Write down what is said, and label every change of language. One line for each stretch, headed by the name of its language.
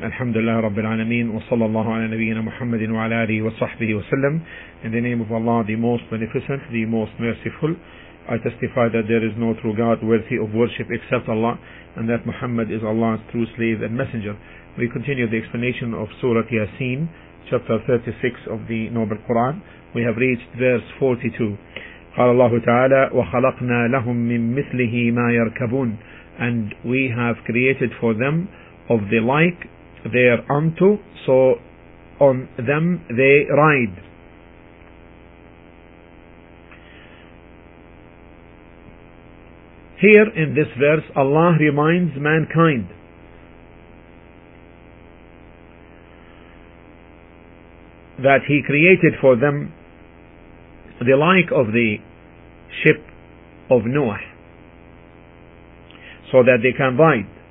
Arabic: الحمد لله رب العالمين، وصلى الله على نبينا محمد وعلى آله وصحبه وسلم.
English: In the name of Allah, the most beneficent, the most merciful, I testify that there is no true God worthy of worship except Allah, and that Muhammad is Allah's true slave and messenger. We continue the explanation of Surah Yasin, chapter 36 of the Noble Quran. We have reached verse 42.
Arabic: قال الله تعالى وخلقنا لهم من مثله ما يركبون.
English: And we have created for them of the like thereunto, so on them they ride. Here in this verse, Allah reminds mankind that He created for them the like of the ship of Noah, so that they can ride.